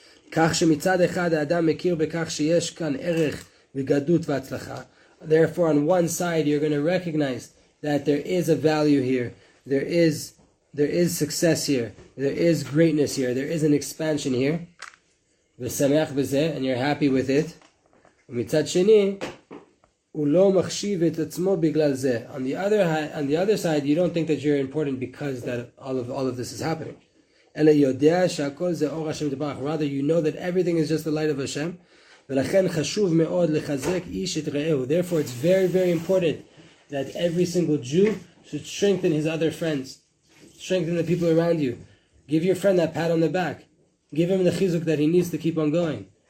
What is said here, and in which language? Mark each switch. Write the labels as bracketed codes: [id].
[he] כח שמצד אחד האדם מכיר בכך שיש כאן ערך וגדות והצלחה. [en] Therefore, on one side, you're going to recognize that there is a value here. There is success here. There is greatness here. There is an expansion here. [he] ושמח בזה, [en] and you're happy with it. [he] ומצד שני, הוא לא מחשיב את עצמו בגלל זה. [en] On the other side, you don't think that you're important because that all of this is happening. [he] אלא יודע שהכל זה אור השם דברך. [en] Rather, you know that everything is just the light of Hashem. [he] ולכן חשוב מאוד לחזק איש את רעהו. [en] Therefore, it's very, very important that every single Jew should strengthen his other friends. Strengthen the people around you. Give your friend that pat on the back. Give him the chizuk that he needs to keep on going.